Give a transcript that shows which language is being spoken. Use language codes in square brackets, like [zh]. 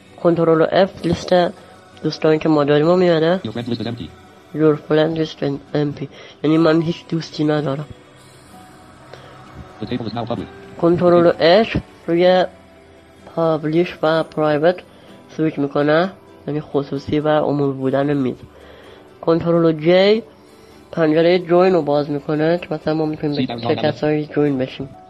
[fa] کنترل و اف لیست دوستانی که ما داریم رو میاره. [en] Your friend list is empty. [fa] یعنی من هیچ دوستی ندارم. کنترل و اف روی پابلیش و پرایوت سویچ میکنه، یعنی خصوصی و عمومی بودن میز. کنترل و جی پنجره جوین رو باز میکنه که مثلا ما میتونیم به چه کسایی جوین بشیم.